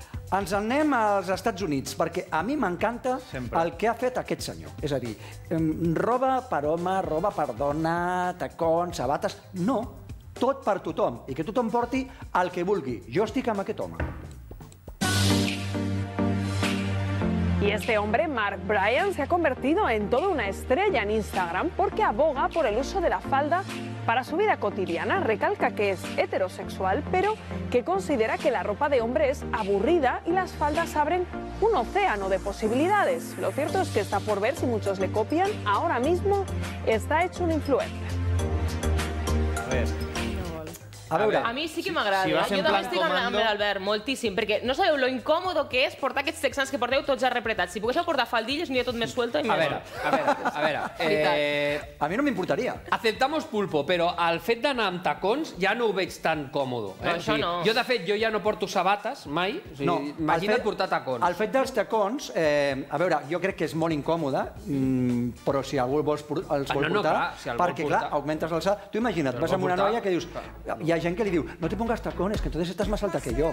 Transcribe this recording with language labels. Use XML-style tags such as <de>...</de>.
<ca>Ens anem als Estats Units, perquè a mi m'encanta el que ha fet aquest senyor. És a dir, roba per home, roba per dona, tacons, sabates... No, tot per tothom, i que tothom porti el que vulgui. Jo estic amb aquest home.</ca> <es>Y este hombre, Mark Bryan, se ha convertido en toda una estrella en Instagram porque aboga por el uso de la falda para su vida cotidiana. Recalca que es heterosexual, pero que considera que la ropa de hombre es aburrida y las faldas abren un océano de posibilidades. Lo cierto es que está por ver si muchos le copian. Ahora mismo está hecho un influencer. A ver.</es> <ca>A mi sí que m'agrada. Si jo també estic amb l'Albert, moltíssim, perquè no sabeu lo incòmodo que és portar aquests texans que porteu tots arrepretats. Si poguéssiu portar faldilles, aniria tot més suelto. A mi no m'importaria.</ca> <es>Aceptamos pulpo,</es> <ca>però el fet d'anar amb tacons ja no ho veig tan còmodo. No, això no. Jo, de fet, jo ja no porto sabates mai. No, imagina't portar tacons. El fet dels tacons, a veure, jo crec que és molt incòmode, però si algú els vol portar... Perquè, clar, augmentes l'alçada... Tu imagina't, vas amb una noia que dius... Hi ha gent que li diu,</ca> <es>no te pongas tacones, que entonces estás más alta que yo.</es>